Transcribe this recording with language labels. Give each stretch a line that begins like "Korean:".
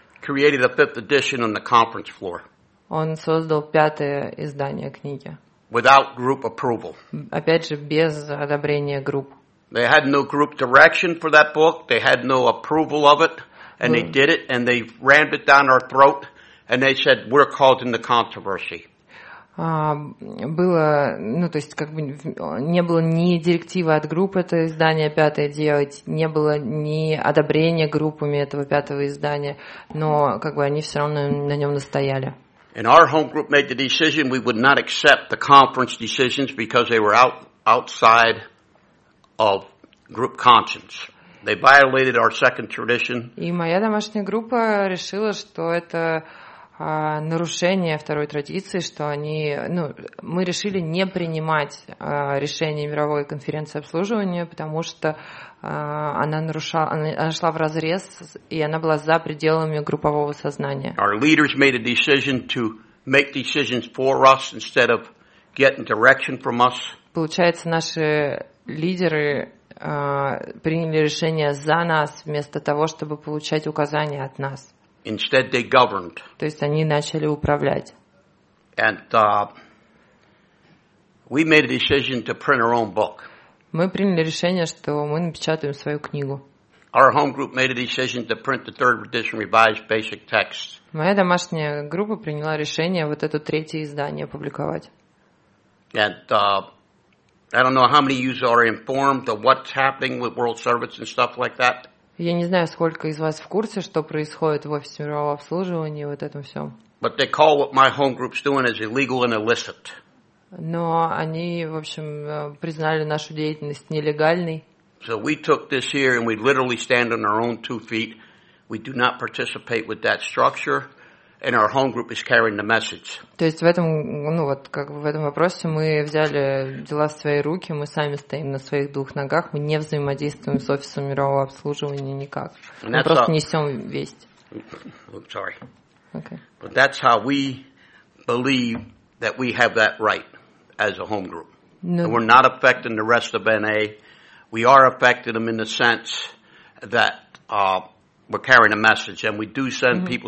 English: created a fifth edition on the conference floor.
Russian: Он создал пятое издание книги.
English: Without group approval.
Russian: Опять же, без одобрения групп.
English: They had no group direction for that book. They had no approval of it. And they did it, and they rammed it down our throat. And they said, we're caught in the controversy.
Russian: Было, ну, то есть, как бы, не было ни директивы от групп это издание пятое делать, не было ни одобрения группами этого пятого издания, но, как бы, они все равно на нем настояли.
English: And our home group made the decision we would not accept the conference decisions because they were outside of group conscience. They violated our second tradition.
Russian: И моя домашняя группа решила, что это нарушение второй традиции, что они, ну, мы решили не принимать решение мировой конференции обслуживания, потому что она шла в разрез, и она была за пределами группового сознания.
English: Our leaders made a decision to make decisions for us instead of getting direction from us.
Russian: Получается, наши лидеры приняли решение за нас вместо того, чтобы получать указания от нас.
English: Instead, they governed.
Russian: То есть они начали управлять.
English: And we made a decision to print our own book.
Russian: мы приняли решение, что мы напечатаем свою книгу.
English: Our home group made a decision to print the third edition revised basic text.
Russian: Моя домашняя группа приняла решение вот это третье издание опубликовать.
English: And I don't know how many of you are informed of what's happening with World Service and stuff like that.
Russian: Я не знаю, сколько из вас в курсе, что происходит в Офисе мирового обслуживания и вот этом всем.
English: But they call what my home group's doing as illegal and illicit.
Russian: Но они, в общем, признали нашу деятельность нелегальной.
English: So we took this here and we literally stand on our own two feet. We do not participate with that structure, and our home group is carrying the message.
Russian: То есть в этом, ну вот, как бы в этом вопросе мы взяли дела в свои руки, мы сами стоим на своих двух ногах, мы не взаимодействуем с Офисом мирового обслуживания никак. Мы просто несем весть.
English: Sorry. Okay. But that's how we believe that we have that right as a home group. No. And we're not affecting the rest of NA. We are affecting them in the sense that we're carrying a message, and we do send mm-hmm.